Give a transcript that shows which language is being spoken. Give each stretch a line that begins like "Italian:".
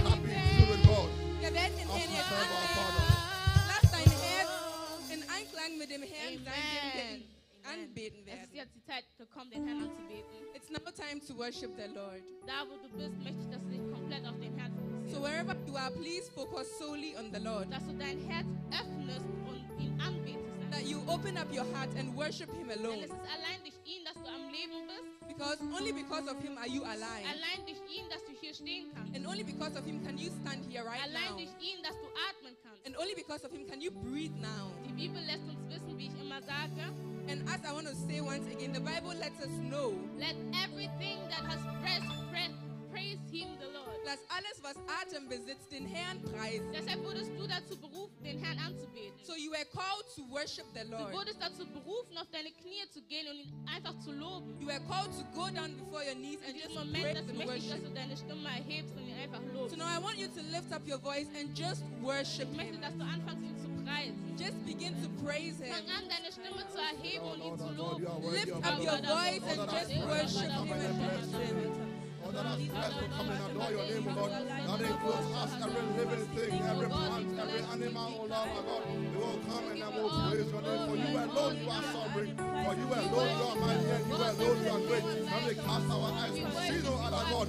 German: Lass dein Herz in Einklang mit dem Herrn sein, den wir anbeten werden. Es ist jetzt die Zeit, gekommen, den Herrn anzubeten.
English: It's now time to worship the Lord.
German: Da, wo du bist, möchte ich, dass du dich komplett auf den Herrn fokussierst.
English: So wherever you are, please focus solely on the Lord.
German: Dass du dein Herz öffnest und ihn anbetest.
English: That you open up your heart and worship him alone.
German: Denn es ist allein durch ihn, dass du am Leben bist.
English: Because only because of him are you alive.
German: Allein durch ihn, dass du hier stehen kannst.
English: And only because of him can you stand here right
German: allein
English: now.
German: Allein durch ihn, dass du atmen kannst.
English: And only because of him can you breathe now.
German: Die Bibel lässt uns wissen, wie ich immer sage.
English: And as I want to say once again, the Bible lets us know. Let everything that has breath praise him, the Lord.
German: Dass alles, was Atem besitzt, den Herrn preist. Deshalb wurdest du dazu berufen, den Herrn anzubeten.
English: So you were called to worship the Lord.
German: Du wurdest dazu berufen, auf deine Knie zu gehen und ihn einfach zu loben.
English: You were called to go down before your knees and just
German: Moment,
English: praise and worship.
German: Ich möchte, dass du deine Stimme erhebst und ihn einfach lobst.
English: So now I want you to lift up your voice and just worship him.
German: Ich möchte, dass du anfängst, ihn zu preisen.
English: Just begin to praise him.
German: Fang an, deine Stimme zu erheben und ihn zu loben.
English: Lift up your voice and just worship him and praise him. All that has breath will come and adore your name, O Lord. That includes us, every living thing, every plant, every animal, O Lord, my God. We will come and we will praise your name. For you alone you are suffering. For you alone you are mighty and you alone you are great. And we cast our eyes to see no other God.